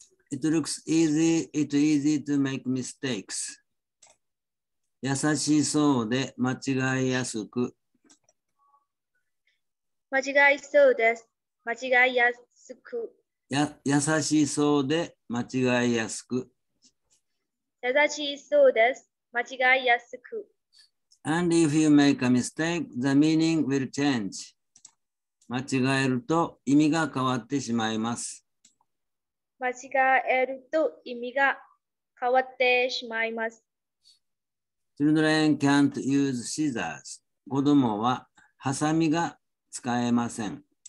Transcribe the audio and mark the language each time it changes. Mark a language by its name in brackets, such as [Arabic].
[English] It looks easy, it's easy to make mistakes. [Japanese] 優しそうで間違いやすく。間違いそうです。間違いやすく。や、優しそうで間違いやすく。優しそうです。間違いやすく。 [English] And if you make a mistake, the meaning will change. [Japanese] 間違えると意味が変わってしまいます。間違えると意味が変わってしまいます。 [English] Children can't use scissors. [Japanese] 子供はハサミが使えません。